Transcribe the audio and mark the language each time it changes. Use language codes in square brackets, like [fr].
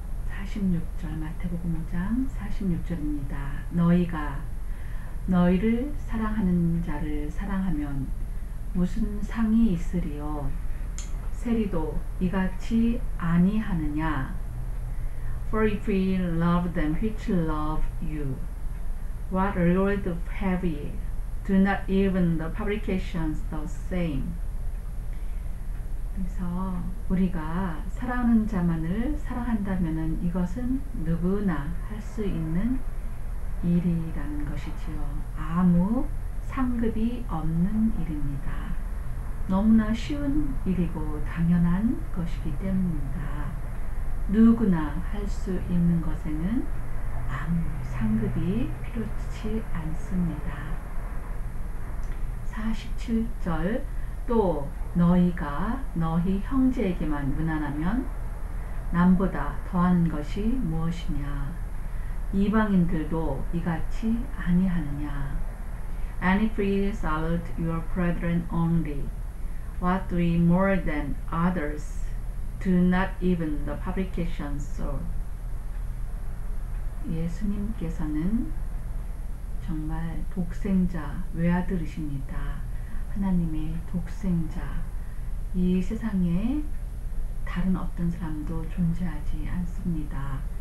[ko] 46절 마태복음 5장 46절입니다. 너희를 사랑하는 자를 사랑하면 무슨 상이 있으리요? 세리도 이같이 아니하느냐? [en] For if we love them which love you, what reward have ye? Do not even the publicans the same. [ko] 그래서 우리가 사랑하는 자만을 사랑한다면은 이것은 누구나 할 수 있는 일이라는 것이지요. 아무 상급이 없는 일입니다. 너무나 쉬운 일이고 당연한 것이기 때문입니다. 누구나 할 수 있는 것에는 아무 상급이 필요치 않습니다. 47절 또 너희가 너희 형제에게만 무난하면 남보다 더한 것이 무엇이냐? 이방인들도 이같이 아니하느냐? [en] And if we salute your brethren only, what do we more than others? Do not even the publicans so. [ko] 예수님께서는 정말 독생자 외아들이십니다. 하나님의 독생자. 이 세상에 다른 어떤 사람도 존재하지 않습니다.